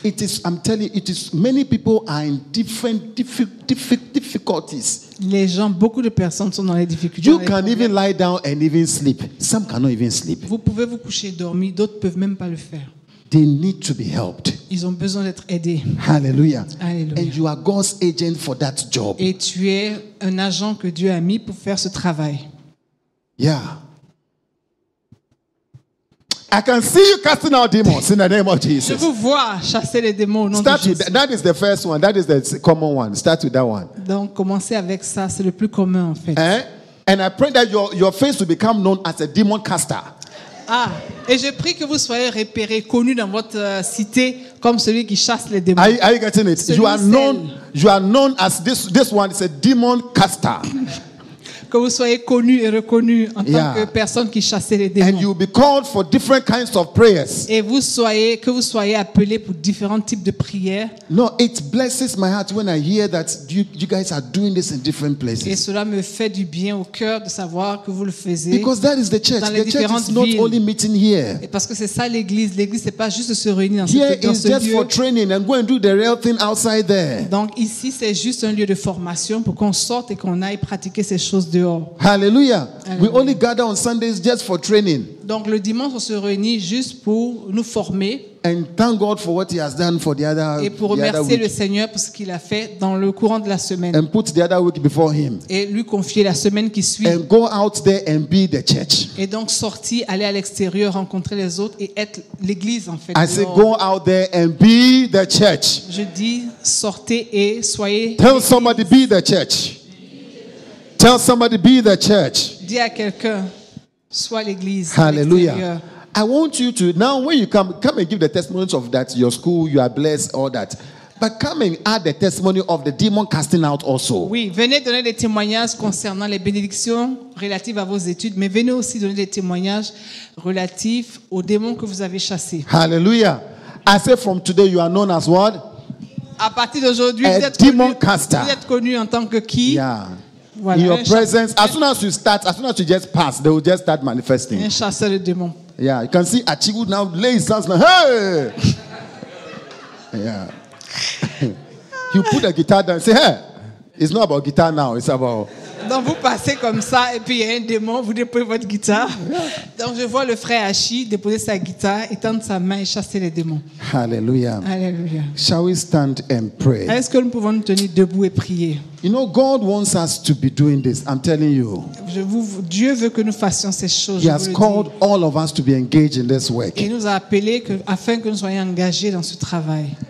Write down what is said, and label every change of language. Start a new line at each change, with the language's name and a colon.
English: It is, I'm telling you, it is, many people are in different difficulties.
French: Les gens, beaucoup de personnes sont dans les difficultés.
English: You can even lie down and even sleep. Some cannot even sleep.
French: Vous pouvez vous coucher dormi, d'autres peuvent même pas le faire.
English: They need to be helped.
French: Ils ont besoin d'être aidés.
English: Hallelujah. Hallelujah. And you are God's agent for that job.
French: Et tu es un agent que Dieu a mis pour faire ce travail.
English: Yeah. I can see you casting out demons in the name of Jesus.
French: Je vous vois chasser les démons au nom
English: start
French: de Jésus.
English: That is the first one. That is the common one. Start with that one.
French: Donc commencez avec ça, c'est le plus commun en fait. Eh?
English: And I pray that your face will become known as a demon caster.
French: Ah, et je prie que vous soyez repéré, connu dans votre cité comme celui qui chasse les démons.
English: Are you getting it? You are known as this one is a demon caster.
French: Que vous soyez connu et reconnu en tant yeah. que personne qui chassait les démons.
English: And you'll be called for different kinds of prayers.
French: Et que vous soyez appelé pour différents types de prières.
English: No, it blesses my heart when I hear that you guys are doing this in different places.
French: Et cela me fait du bien au cœur de savoir que vous le faisiez.
English: Because that is the church. The church is not only meeting here.
French: Et parce que c'est ça l'église. L'église c'est pas juste se réunir dans
English: here
French: ce lieu.
English: Here is just for training and go and do the real thing outside there.
French: Donc ici c'est juste un lieu de formation pour qu'on sorte et qu'on aille pratiquer ces choses de.
English: Hallelujah. We only gather on Sundays just for training.
French: Donc le dimanche on se réunit juste pour nous former.
English: And thank God for what he has done for the other week.
French: Et pour remercier le Seigneur pour ce qu'il a fait dans le courant de la semaine.
English: And put the other week before him.
French: Et lui confier la semaine qui suit.
English: And go out there and be the church.
French: Et donc sortir, aller à l'extérieur, rencontrer les autres et être l'église en fait.
English: I say go out there and be the church.
French: Je dis sortez et soyez.
English: Tell somebody be the church. Tell somebody be the church.
French: Dis à quelqu'un, sois l'église.
English: Hallelujah. I want you to now when you come and give the testimony of that your school you are blessed all that. But come and add the testimony of the demon casting out also.
French: Oui, venez donner des témoignages concernant les bénédictions relatives à vos études, mais venez aussi donner des témoignages relatifs aux démons que vous avez chassés.
English: Hallelujah. I say from today you are known as what?
French: À partir d'aujourd'hui,
English: a demon caster.
French: Vous êtes connu en tant que qui?
English: Yeah. Voilà, in your presence, as soon as you start, as soon as you just pass, they will just start manifesting.
French: Un chasseur de démons.
English: Yeah, you can see Achigu now lay his hands now. Hey! Yeah. You put a guitar down and say, hey, it's not about guitar now, it's about...
French: Donc vous passez comme ça et puis il y a un démon, vous déposez votre guitare. Donc je vois le frère Achi déposer sa guitare, étendre sa main et chasser les démons.
English: Hallelujah. Hallelujah. Shall we stand and pray?
French: Est-ce que nous pouvons nous tenir debout et prier?
English: You know, God wants us to be doing this. I'm telling you.
French: Dieu veut que nous fassions ces choses.
English: He has called all of us to be engaged in this work.
French: Il nous a appelés afin que nous soyons engagés dans ce travail.